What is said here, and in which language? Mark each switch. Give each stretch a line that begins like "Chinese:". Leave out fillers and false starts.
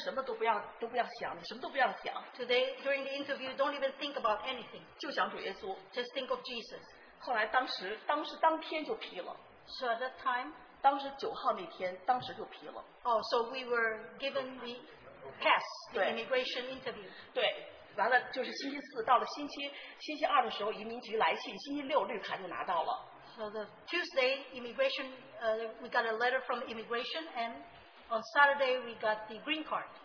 Chinese: 今天什么都不要想，他问什么都不要想，什么都不要想。
English: Today, during the interview, don't even think about anything.
Chinese: 就想主耶稣。
English: Just think of Jesus.
Chinese: 后来当时当天就批了。
English: So at that time,
Chinese: 当时9号那天，当时就批了。
English: Oh, so we were given the pass the immigration interview.
Chinese: 对，完了就是星期四到了星期二的时候，移民局来信，星期六绿卡就拿到了。
English: So the Tuesday immigration, we got a letter from immigration, and on Saturday we got the green card.